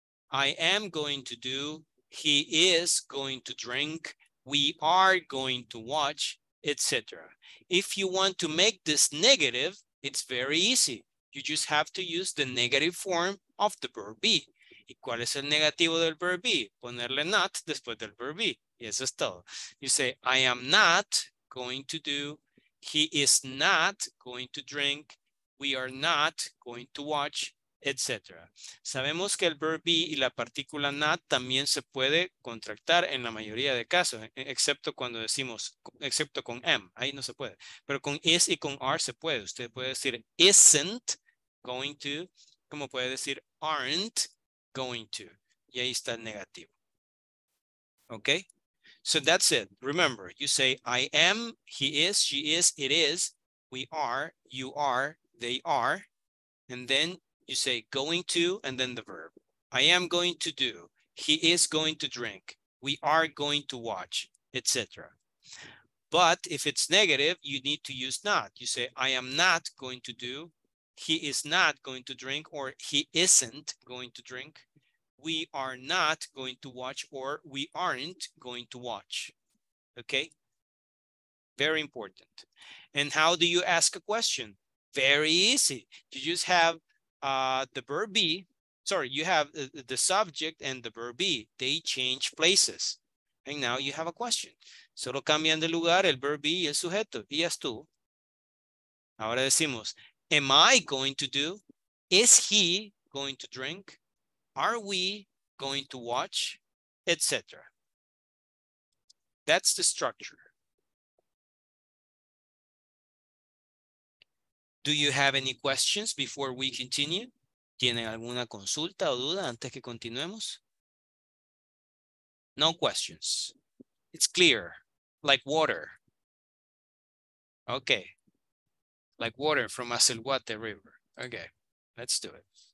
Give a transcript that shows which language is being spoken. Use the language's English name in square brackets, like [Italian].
[English] I am going to do, he is going to drink, we are going to watch, etc. If you want to make this negative, it's very easy. You just have to use the negative form of the verb be. [Spanish] ¿Y cuál es el negativo del verb be? Ponerle not después del verb be. Y eso es todo. [English] You say, I am not going to do. He is not going to drink. We are not going to watch, etc. [Spanish] Sabemos que el verb be y la partícula not también se puede contractar en la mayoría de casos, excepto cuando decimos, excepto con am. Ahí no se puede. Pero con is y con are se puede. Usted puede decir, isn't going to, como puede decir aren't going to. Y ahí está el negativo. Okay? [English] So that's it. Remember, you say I am, he is, she is, it is, we are, you are, they are. And then you say going to and then the verb. I am going to do. He is going to drink. We are going to watch, etc. But if it's negative, you need to use not. You say I am not going to do. He is not going to drink, or he isn't going to drink. We are not going to watch, or we aren't going to watch. Okay? Very important. And how do you ask a question? Very easy. You just have the verb be. Sorry, you have the subject and the verb be. They change places. And now you have a question. [Spanish] Solo cambian de lugar el verb be y el sujeto. Y ya estuvo. Ahora decimos, [English] am I going to do? Is he going to drink? Are we going to watch? Etc. That's the structure. Do you have any questions before we continue? [Spanish] ¿Tiene alguna consulta o duda antes que continuemos? [English] No questions. It's clear, like water. Okay. Like water from Acelhuate River. Okay, let's do it.